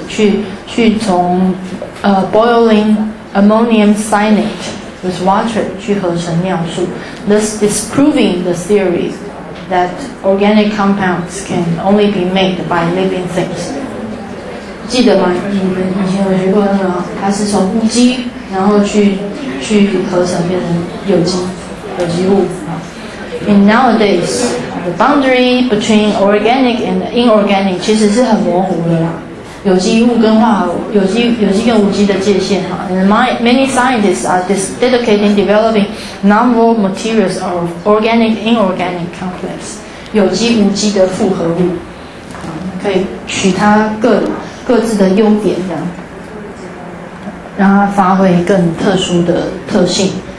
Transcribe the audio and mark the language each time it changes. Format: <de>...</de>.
<zh>去从</zh> <en>boiling ammonium cyanate with water</en> <zh>去合成尿素</zh> <en>thus disproving the theory that organic compounds can only be made by living things.</en> <zh>记得吗？你们以前有学过那个？它是从无机，然后去合成变成有机物。</zh> <en>And nowadays, the boundary between organic and inorganic</en> <zh>其实是很模糊的啦。有机物跟化合物，有机跟无机的界限哈。</zh> <en>Many scientists are dedicating developing novel materials of organic inorganic complex.</en> <zh>有机无机的复合物，可以取它各自的优点，这样让它发挥更特殊的特性。</zh>